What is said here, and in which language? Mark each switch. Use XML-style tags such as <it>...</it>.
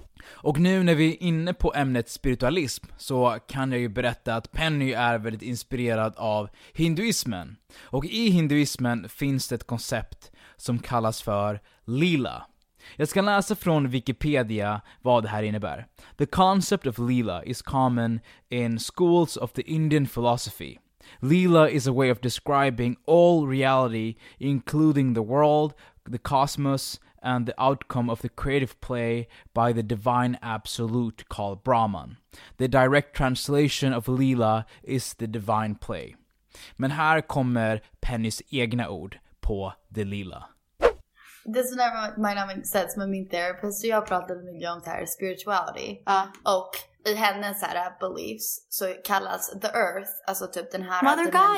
<sv>Och nu när vi är inne på ämnet spiritualism så kan jag ju berätta att Penny är väldigt inspirerad av hinduismen. Och i hinduismen finns det ett koncept som kallas för lila. Jag ska läsa från Wikipedia vad det här innebär.</sv> <en>The concept of lila is common in schools of the Indian philosophy. Lila is a way of describing all reality, including the world, the cosmos and the outcome of the creative play by the divine absolute called Brahman. The direct translation of Lila is the divine play.</en> <sv>Men här kommer Pennys egna ord på The Lila.</sv> <en>This never might not make sense, but my therapist,</en> <sv>jag pratade med om så här</sv> <en>spirituality.</en> <sv>Och i hennes här beliefs så kallas</sv> <en>the earth,</en> <sv>alltså typ den här</sv> <en>Mother dimension.</en>